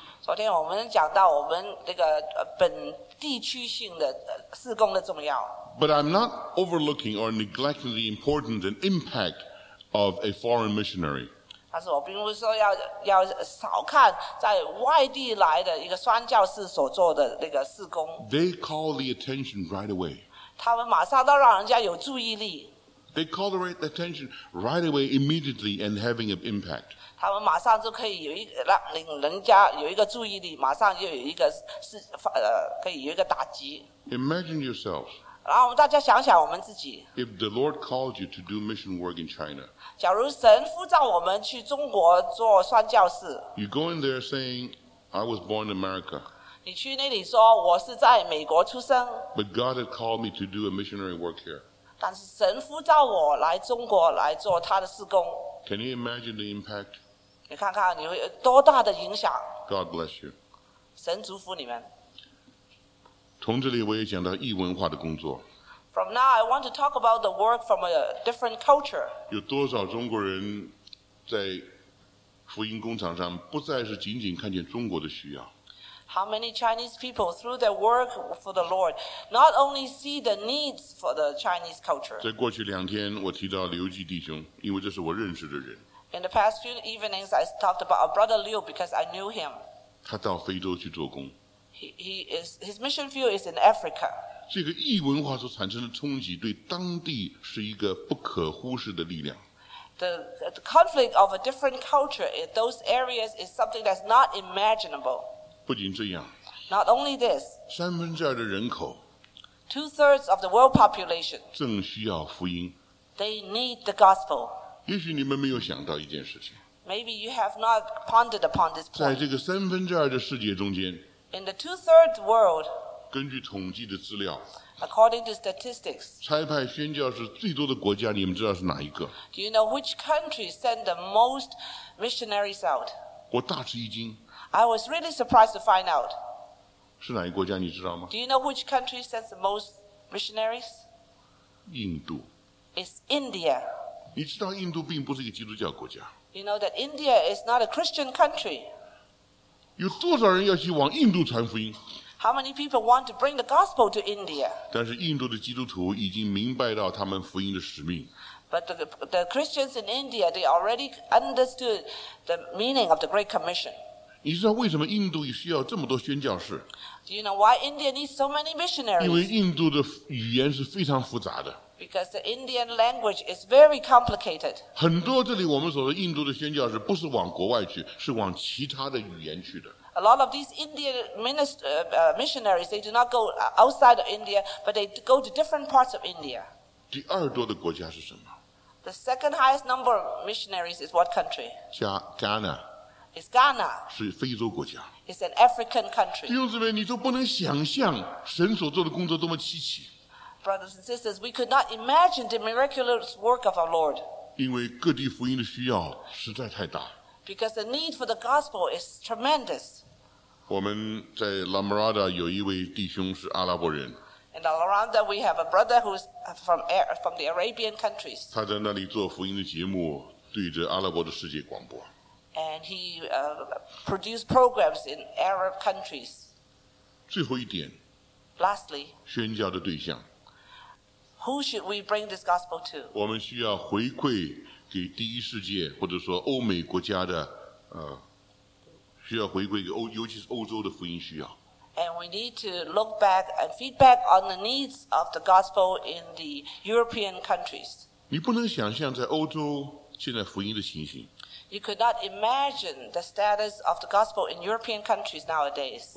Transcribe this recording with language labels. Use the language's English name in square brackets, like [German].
[Chinese] 昨天我们讲到我们这个本地区性的事工的重要。 [English] But I'm not overlooking or neglecting the importance and impact of a foreign missionary. [Chinese] 但是我并不是说要少看在外地来的一个宣教士所做的那个事工。 [English] They call the attention right away. [Chinese] 他们马上都让人家有注意力。 [English] They call the attention right away, immediately, and having an impact. [Chinese] 他们马上就可以有一个让领人家有一个注意力，马上就有一个是可以有一个打击。 [English] Imagine yourselves. [Chinese] 然后我们大家想想我们自己。 [English] If the Lord called you to do mission work in China, [Chinese] 假如神呼召我们去中国做宣教士。 [English] You go in there saying, "I was born in America." [Chinese] 你去那里说我是在美国出生。 [English] But God had called me to do a missionary work here. [Chinese] 但是神呼召我来中国来做他的事工。 [English] Can you imagine the impact? [Chinese] 你看看你会有多大的影响。 [English] God bless you. [Chinese] 神祝福你们。从这里我也讲到异文化的工作。 [English] From now, I want to talk about the work from a different culture. [Chinese] 有多少中国人在福音工厂上不再是仅仅看见中国的需要。 [English] How many Chinese people, through their work for the Lord, not only see the needs for the Chinese culture? [Chinese] 在过去两天，我提到刘继弟兄，因为这是我认识的人。 [English] In the past few evenings, I talked about our brother Liu because I knew him. [Chinese] 他到非洲去做工。 [English] His mission field is in Africa. [Chinese] 这个异文化所产生的冲击，对当地是一个不可忽视的力量。 [English] The conflict of a different culture in those areas is something that's not imaginable. [Chinese] 不仅这样 [English] Not only this, [Chinese] 三分之二的人口 [English] 2/3 of the world population [Chinese] 正需要福音 [English] They need the gospel [Chinese] 也许你们没有想到一件事情 [English] Maybe you have not pondered upon this point [Chinese] 在这个三分之二的世界中间 [English] In the 2/3 world [Chinese] 根据统计的资料 [English] According to statistics [Chinese] 差派宣教士最多的国家你们知道是哪一个 [English] Do you know which country send the most missionaries out? [Chinese] 我大吃一惊 [English] I was really surprised to find out. [Chinese] 是哪一个国家你知道吗 [English] Do you know which country sends the most missionaries? [Chinese] 印度。 [English] It's India. [Chinese] 你知道印度并不是一个基督教国家。 [English] You know that India is not a Christian country. [Chinese] 有多少人要去往印度传福音 [English] How many people want to bring the gospel to India? [Chinese] 但是印度的基督徒已经明白到他们福音的使命。 [English] But the Christians in India, they already understood the meaning of the Great Commission. [Chinese] 你知道为什么印度需要这么多宣教士？ [English] Do you know why India needs so many missionaries? [Chinese] 因为印度的语言是非常复杂的。 [English] Because the Indian language is very complicated. [Chinese] 很多这里我们所说印度的宣教士不是往国外去，是往其他的语言去的。 [English] A lot of these Indian missionaries, they do not go outside of India, but they go to different parts of India. [Chinese] 第二多的国家是什么？ [English] The second highest number of missionaries is what country? Ghana. It's Ghana. [Chinese] 是非洲国家。 [English] It's an African country. [Chinese] 弟兄姊妹，你都不能想象神所做的工作多么稀奇。 [English] Brothers and sisters, we could not imagine the miraculous work of our Lord. [Chinese] 因为各地福音的需要实在太大。 [English] Because the need for the gospel is tremendous. [Chinese] 我们在 La Mirada 有一位弟兄是阿拉伯人。 [English] In La Mirada, we have a brother who is from the Arabian countries. [Chinese] 他在那里做福音的节目，对着阿拉伯的世界广播。 [English] And he produced programs in Arab countries. [Chinese] 最后一点。 [English] Lastly. [Chinese] 宣教的对象。 [English] Who should we bring this gospel to? [Chinese] 我们需要回馈给第一世界或者说欧美国家的需要回馈给欧尤其是欧洲的福音需要。 [English] And we need to look back and feedback on the needs of the gospel in the European countries. [Chinese] 你不能想象在欧洲现在福音的情形。 [English] You could not imagine the status of the gospel in European countries nowadays.